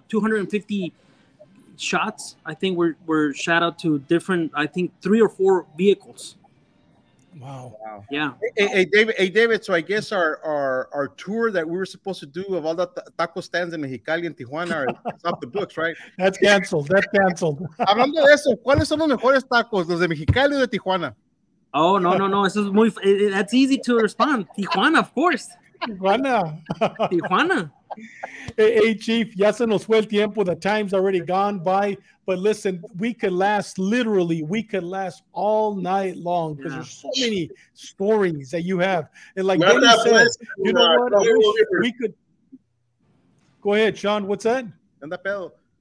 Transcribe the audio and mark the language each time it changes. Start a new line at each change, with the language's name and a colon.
English: 250 shots, I think, were shot out to different, I think, three or four vehicles. Wow. Yeah. Hey, David, so I guess our tour that we were supposed to do of all the taco stands in Mexicali and Tijuana is off the books, right? That's canceled.
Spanish: Hablando de eso, ¿cuáles son los mejores tacos, los de Mexicali o de Tijuana?
English: Oh, no.
Spanish: Eso es muy,
English: that's easy to respond. Tijuana, of course. Tijuana. Tijuana.
Spanish: Hey, Chief, ya se nos fue el tiempo.
English: The time's already gone by. But listen, we could last all night long because there's so many stories that you have. And like Benny says, you know what? We could go ahead, Sean. What's that? And the bell.